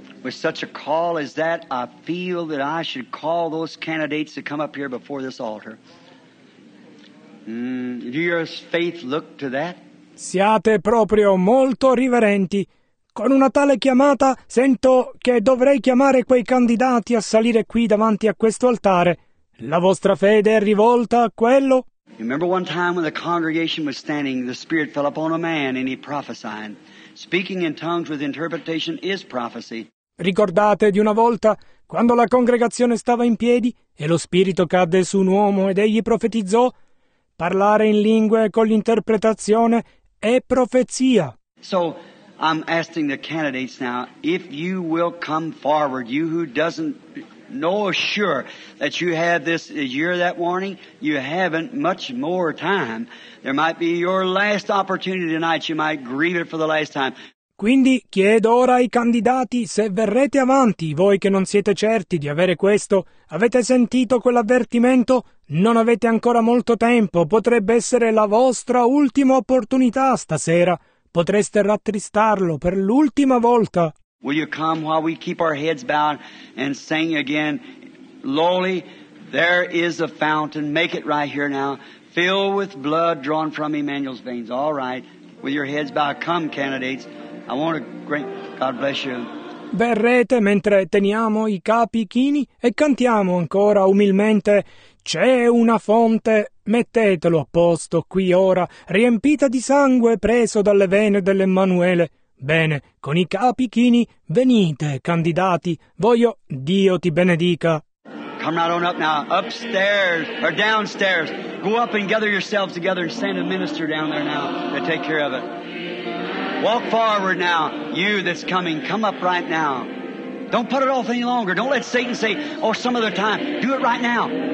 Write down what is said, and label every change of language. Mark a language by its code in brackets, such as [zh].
[en] Such a call as that, I feel that I should call those candidates to come up here before this altar. Do your faith look to that? [it] Siate proprio molto riverenti. Con una tale chiamata sento che dovrei chiamare quei candidati a salire qui davanti a questo altare. La vostra fede è rivolta a quello? [en] You remember one time when the congregation was standing, the Spirit fell upon a man and he prophesied. Speaking in tongues with interpretation is prophecy. [it] Ricordate di una volta quando la congregazione stava in piedi e lo Spirito cadde su un uomo ed egli profetizzò? Parlare in lingue con l'interpretazione è profezia. [en] So I'm asking the candidates now, if you will come forward, you who doesn't know sure that you have this, you're that warning, you haven't much more time. There might be your last opportunity tonight, you might grieve it for the last time. [it] Quindi chiedo ora ai candidati se verrete avanti, voi che non siete certi di avere questo, avete sentito quell'avvertimento? Non avete ancora molto tempo, potrebbe essere la vostra ultima opportunità stasera, potreste rattristarlo per l'ultima volta. [en] Will you come while we keep our heads bowed and sing again lowly? There is a fountain. Make it right here now. Fill with blood drawn from Emmanuel's veins. All right. With your heads bowed. Come, candidates. I want a great... God bless you. [it] Verrete mentre teniamo i capi chini e cantiamo ancora umilmente. C'è una fonte, mettetelo a posto qui ora, riempita di sangue preso dalle vene dell'Emanuele. Bene, con i capi chini, venite, candidati, voglio Dio ti benedica. [en] Come right on up now, upstairs or downstairs. Go up and gather yourselves together and send a minister down there now to take care of it. Walk forward now, you that's coming, come up right now. Don't put it off any longer. Don't let Satan say, oh, some other time. Do it right now.